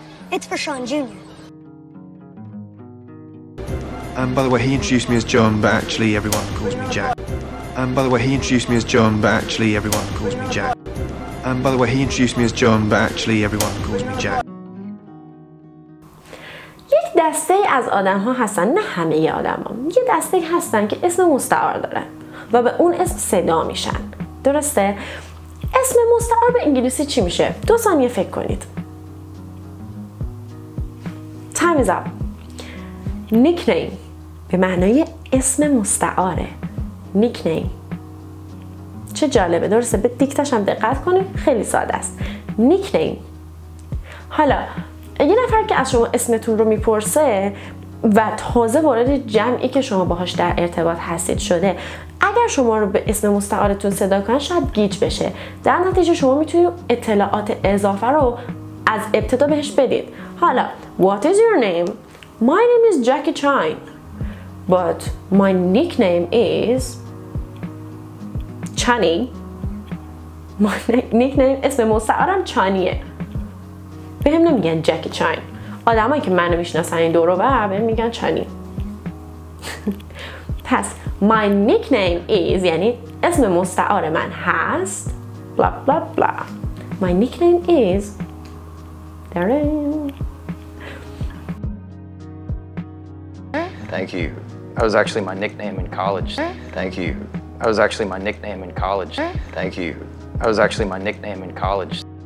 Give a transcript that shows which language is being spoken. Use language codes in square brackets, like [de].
[en] It's for Sean Jr. By the way, he introduced me as John, but actually everyone calls me Jack. By the way, he introduced me as John, but actually everyone calls me Jack. By the way, he introduced me as John, but actually everyone calls me Jack. [fa] یک دسته از آدم ها هستن، نه همه ی آدم ها. یه دسته هستن که اسم مستعار دارن و به اون اسم صدا میشن. درسته؟ اسم مستعار به انگلیسی چی میشه؟ دو ثانیه فکر کنید. [en] Time is up. [fa] Nickname به معنای اسم مستعاره. [en] Nickname. [fa] چه جالبه، درسته؟ به دیکتش هم دقت کنید، خیلی ساده است. [en] Nickname. [fa] حالا یه نفر که از شما اسمتون رو میپرسه و تازه وارد جمعی که شما باهاش در ارتباط هستید شده، اگر شما رو به اسم مستعارتون صدا کنن شاید گیج بشه. در نتیجه شما میتونید اطلاعات اضافه رو از ابتدا بهش بدید. حالا [en] What is your name? My name is Jackie Chan. But my nickname is Chani. My nickname, [fa] اسم مستعارم چانیه. به هم نمیگن جکی چاین. آدم هایی که منو میشناسن این دورو بر به هم میگن چانی. پس [en] My nickname is [fa] یعنی اسم مستعار من هست بلا بلا بلا. [en] My nickname is [fa] دارد. [en] Thank you. That was actually my nickname in college. Thank you. That was actually my nickname in college. Thank you. That was actually my nickname in college.